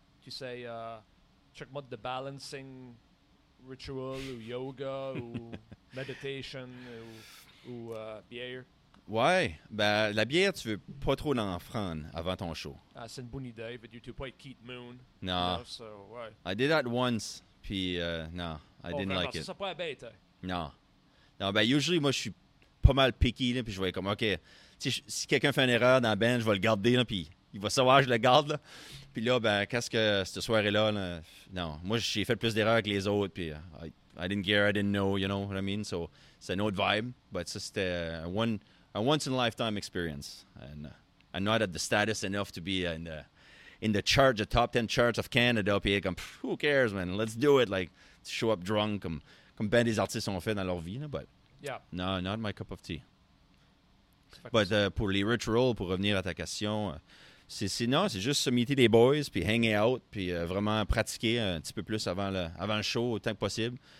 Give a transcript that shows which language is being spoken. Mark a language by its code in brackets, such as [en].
[fr] Tu sais, check mode de [en] balancing ritual [fr] ou yoga ou meditation ou bière. Ouais, ben la bière, tu veux pas trop en prendre avant ton show. Ah, c'est une bonne idée, mais tu peux pas être Keith Moon. Non. [en] You know, so, [fr] ouais. [en] I did that once, [fr] puis non, [en] I didn't like it. [fr] Ça pas bête, hein? Non. Non, ben usually, moi, je suis pas mal picky, puis je vais comme, OK, si quelqu'un fait une erreur dans la band, je vais le garder, puis il va savoir je le garde. Là. Puis là, ben, qu'est-ce que cette soirée-là? Là, non, moi, j'ai fait plus d'erreurs que les autres, puis [en] I didn't care, I didn't know, you know what I mean? So, [fr] c'est une autre vibe, [en] but [fr] ça, c'était [en] a once-in-a-lifetime experience. And I'm not at the status enough to be in the charge, the top 10 charts of Canada. [fr] Puis, comme, [en] who cares, man? Let's do it. Like, to show up drunk, [fr] comme ben des artistes ont fait dans leur vie. [en] No? But yeah. No, not my cup of tea. But [fr] pour les rituals, pour revenir à ta question, c'est juste se meeter des boys, puis [en] hanging out, [fr] puis vraiment pratiquer un petit peu plus avant le show, autant que possible.